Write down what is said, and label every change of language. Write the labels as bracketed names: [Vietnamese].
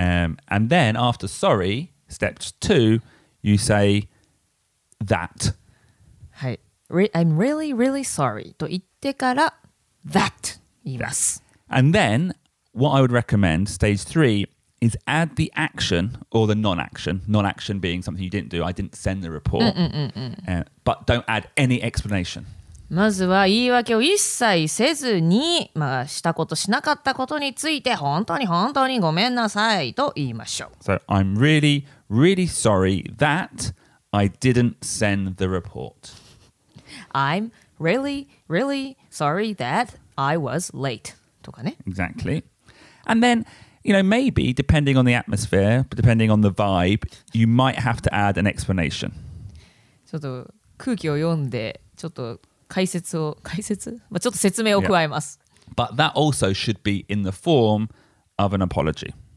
[English] And then after sorry, step two, you say that. [Japanese] はい。 [English] I'm really, really sorry [Japanese] と言ってから that 言います。 [English] And then what I would recommend, stage three,is add the action or the non-action. Non-action being something you didn't do. I didn't send the report. But don't add any explanation. [Japanese] まずは言い訳を一切せずに、まあ、したことしなかったことについて本当に本当にごめんなさいと言いましょう。 [English] So I'm really, really sorry that I didn't send the report. I'm really, really sorry that I was late. Exactly. And then, you know, maybe depending on the atmosphere, depending on the vibe, you might have to add an explanation. [Japanese] ちょっと空気を読んで、ちょっと解説を、まあちょっと説明を加えます。 [English] But that also should be in the form of an apology.